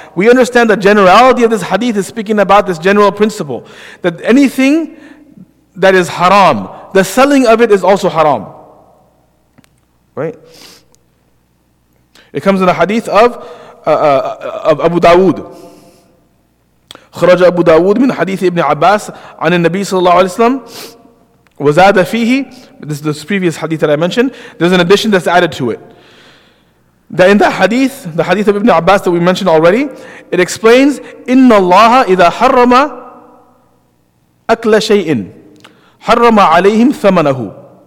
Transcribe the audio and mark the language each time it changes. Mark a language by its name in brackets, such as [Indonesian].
[English] We understand the generality of this hadith is speaking about this general principle, that anything that is haram, the selling of it is also haram. Right? It comes in the hadith of Abu Dawood. [Arabic] خرج أبو داود من حديث ابن عباس عن النبي صلى الله عليه وسلم وزاد فيه. [English] This is the previous hadith that I mentioned. There's an addition that's added to it. That in that hadith, the hadith of Ibn Abbas that we mentioned already, it explains, [Arabic] إن الله إذا حرم أكل شيء حرم عليهم ثمنه.